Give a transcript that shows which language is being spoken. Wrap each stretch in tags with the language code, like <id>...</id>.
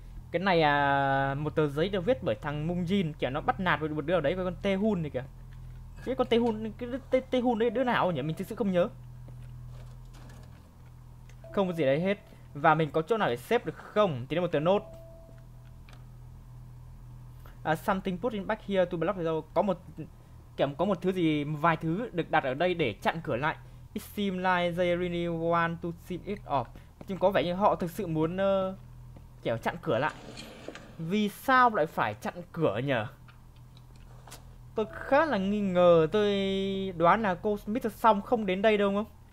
<vi>Cái này à, một tờ giấy được viết bởi thằng Mung Jin, kiểu nó bắt nạt một đứa ở đấy, con Tehun này kìa. Chứ con Tehun, cái Tehun đấy đứa nào nhỉ? Mình thực sự không nhớ. Không có gì đấy hết. Và mình có chỗ nào để xếp được không? Tí nữa một tờ nốt.</vi> <en>Something put in back here to block the door.</en> <vi>Có một kiểu có một thứ gì một vài thứ được đặt ở đây để chặn cửa lại.</vi> <en>It seems like they really want to see it off.</en> <vi>Nhưng có vẻ như họ thực sự muốn kiểu chặn cửa lại. Vì sao lại phải chặn cửa nhờ? Tôi khá là nghi ngờ. Tôi đoán là cô Smith xong không đến đây đâu không?</vi>